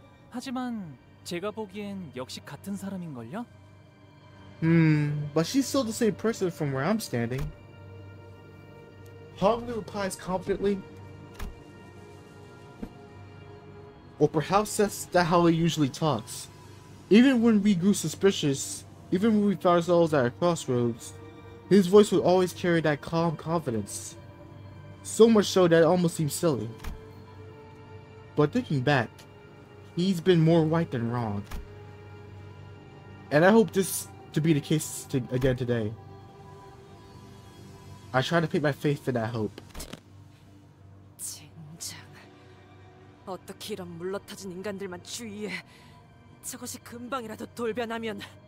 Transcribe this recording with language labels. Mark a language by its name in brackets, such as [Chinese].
[Korean] 하지만 제가 보기엔 역시 같은 사람인걸요? [English] But she's still the same person from where I'm standing. Hong Lu replies confidently. Or perhaps that's how he usually talks. Even when we grew suspicious, even when we found ourselves at a crossroads, his voice would always carry that calm confidence. So much so that it almost seems silly. But thinking back, he's been more right than wrong. And I hope this to be the case again today. I try to put my faith in that hope. [Korean] 진정. 어떻게 이런 물러터진 인간들만 주위에 저것이 금방이라도 돌변하면.